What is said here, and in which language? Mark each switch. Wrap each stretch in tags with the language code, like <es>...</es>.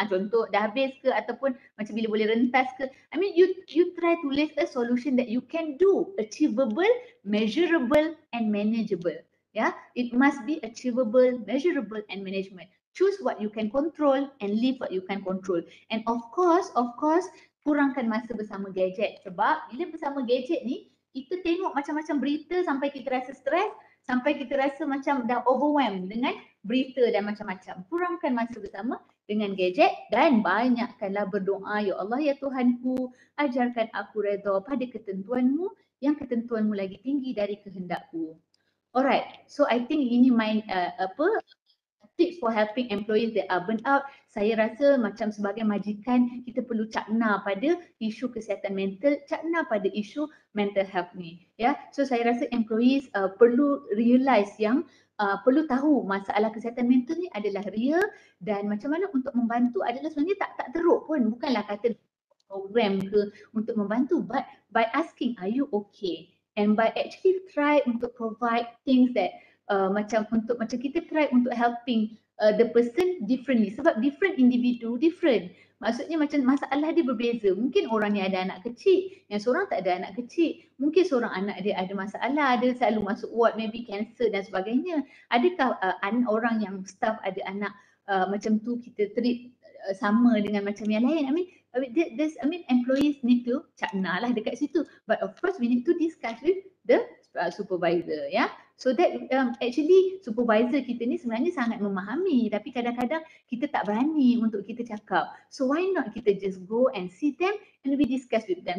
<ms>Contoh, dah habis ke ataupun macam bila boleh rentas ke.</ms> <en>I mean, you try to list a solution that you can do. Achievable, measurable and manageable. Yeah, it must be achievable, measurable and management. Choose what you can control and leave what you can control.</en> <ms>And of course, kurangkan masa bersama gadget. Sebab bila bersama gadget ni, kita tengok macam-macam berita sampai kita rasa stres, sampai kita rasa macam dah overwhelmed dengan berita dan macam-macam. Kurangkan masa bersama dengan gadget dan banyakkanlah berdoa. Ya Allah, ya Tuhanku, ajarkan aku redha pada ketentuanmu yang ketentuanmu lagi tinggi dari kehendakku.</ms> <en>Alright, so I think ini my tips for helping employees that are burnt out.</en> <ms>Saya rasa macam sebagai majikan, kita perlu cakna pada isu kesihatan mental, cakna pada isu mental health ni. Yeah? So saya rasa employees perlu realize yang perlu tahu masalah kesihatan mental ni adalah real dan macam mana untuk membantu adalah sebenarnya tak teruk pun. Bukanlah kata program ke untuk membantu,</ms> <en>but by asking, are you okay? And by actually try untuk provide things that</en> <ms>macam kita</ms> <en>try untuk helping the person differently.</en> <ms>Sebab different individu different. Maksudnya macam masalah dia berbeza. Mungkin orang ni ada anak kecil, yang seorang tak ada anak kecil. Mungkin seorang anak dia ada masalah, ada selalu masuk ward, maybe cancer dan sebagainya. Adakah orang yang staff ada anak macam tu kita treat sama dengan macam yang lain.</ms> <en>I mean employees need to</en> <ms>cakna lah dekat situ,</ms> <en>but of course we need to discuss with the supervisor, ya. Yeah?</en> <ms>So that actually supervisor kita ni sebenarnya sangat memahami, tapi kadang-kadang kita tak berani untuk kita cakap.</ms> <en>So why not kita just go and see them and we discuss with them.</en>